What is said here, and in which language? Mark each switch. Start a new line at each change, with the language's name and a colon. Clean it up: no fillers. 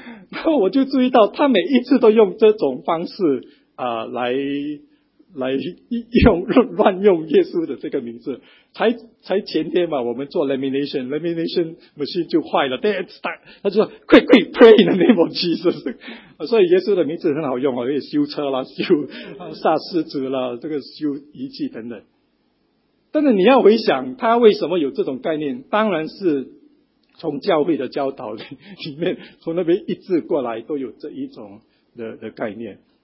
Chinese: 然后我就注意到他每一次都用这种方式来乱用耶稣的这个名字。才前天嘛，我们做 lamination machine 就坏了 ，
English: dead start。
Chinese: 他就说
English: quick pray in the name of Jesus。
Chinese: 所以耶稣的名字很好用哦，可以修车啦，修杀狮子啦，这个修仪器等等。但是你要回想他为什么有这种概念，当然是从教会的教导里面，从那边一直过来都有这一种 的概念